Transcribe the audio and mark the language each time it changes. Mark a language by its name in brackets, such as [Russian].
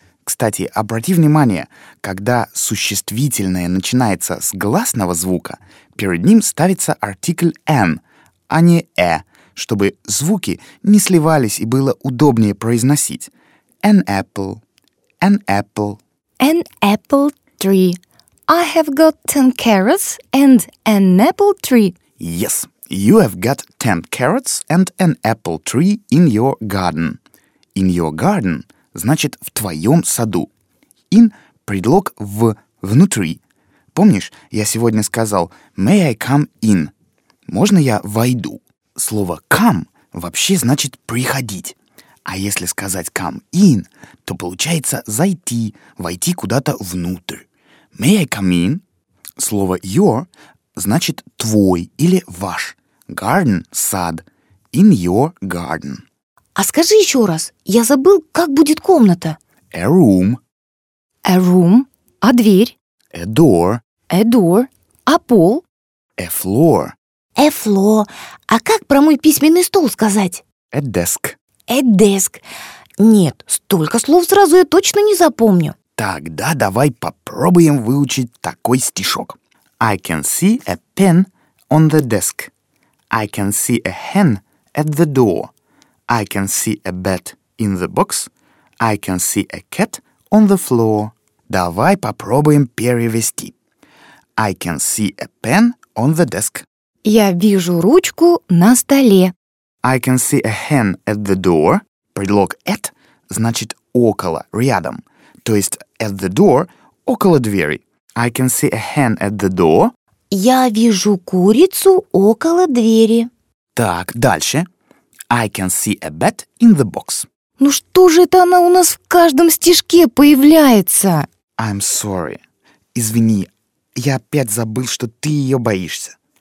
[Russian] Кстати, обрати внимание, когда существительное начинается с гласного звука, перед ним ставится артикль «an», а не «э», чтобы звуки не сливались и было удобнее произносить. [English] An apple. An apple. An apple tree. I have got 10 carrots and an apple tree. Yes. You have got 10 carrots and an apple tree in your garden. In your garden [Russian] значит «в твоем саду». In – предлог «в», «внутри». Помнишь, я сегодня сказал [English] «may I come in?» [Russian] «Можно я войду?» Слово «come» вообще значит «приходить». А если сказать [English] «come in», [Russian] то получается «зайти», «войти куда-то внутрь». [English] «May I come in?» [Russian] Слово «your» значит «твой» или «ваш». [English] Garden – сад. In your garden. [Russian] А скажи еще раз, я забыл, как будет комната. [English] A room. A room. [Russian] А дверь? [English] A door. A door. [Russian] А пол? [English] A floor. A floor. [Russian] А как про мой письменный стол сказать? [English] A desk. A desk. [Russian] Нет, столько слов сразу я точно не запомню. Тогда давай попробуем выучить такой стишок. [English] I can see a pen on the desk. I can see a hen at the door. I can see a bat in the box. I can see a cat on the floor. [Russian] Давай попробуем перевести. [English] I can see a pen on the desk. [Russian] Я вижу ручку на столе. [English] I can see a hen at the door. [Russian] Предлог at значит около, рядом. То есть [English] at the door, [Russian] около двери. [English] I can see a hen at the door. [Russian] Я вижу курицу около двери. Так, дальше. [English] I can see a bat in the box. [Russian] Ну что же это она у нас в каждом стишке появляется? [English] I'm sorry. [Russian] Извини, я опять забыл, что ты ее боишься.